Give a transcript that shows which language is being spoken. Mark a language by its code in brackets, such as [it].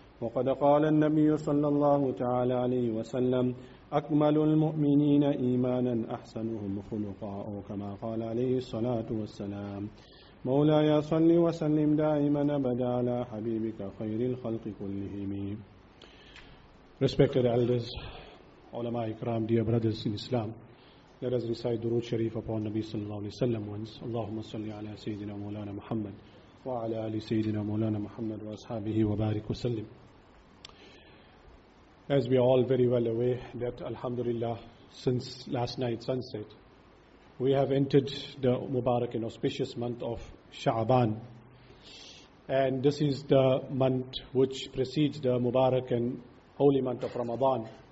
[ar] وقد قال النبي صلى الله تعالى عليه وسلم: أكمل المؤمنين إيمانا أحسنهم خلقا، كما قال عليه الصلاة والسلام. مولاي صل وسلم دائما أبدا على حبيبك خير الخلق كلهم. [en] Respected elders, علماء اكرام, dear brothers in Islam, let us recite درود شريف upon Nabi sallallahu alaihi wasallam once. [ar] اللهم صل على سيدنا مولانا محمد وعلى آل سيدنا مولانا محمد وأصحابه وبارك وسلم. [en] As we are all very well aware that, alhamdulillah, since last night sunset, we have entered the Mubarak and auspicious month of Sha'ban. And this is the month which precedes the Mubarak and holy month of Ramadan.